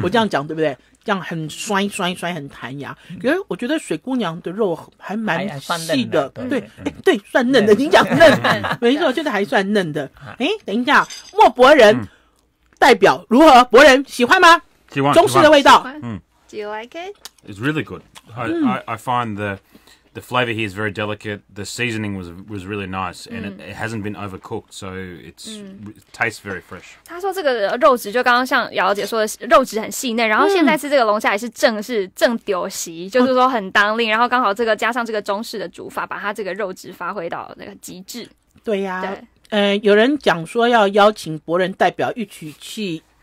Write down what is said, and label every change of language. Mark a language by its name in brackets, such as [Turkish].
[Chinese] 我这样讲对不对？这样很酸，很弹牙。可是我觉得水姑娘的肉还蛮细的，对，对，算嫩的，你讲嫩，没错，就是还算嫩的。哎，等一下，莫伯人代表如何？伯人喜欢吗？喜欢，中式的味道，嗯。 [English] Do you like it? It's really good. I find the flavor here is very delicate. The seasoning was really nice, and it hasn't been overcooked, so it tastes very fresh. [Chinese] 他说这个肉质就刚刚像姚姐说的，肉质很细嫩。然后现在吃这个龙虾也是正丢席，就是说很当令。然后刚好这个加上这个中式的煮法，把它这个肉质发挥到那个极致。对呀，对，有人讲说要邀请伯人代表一起去。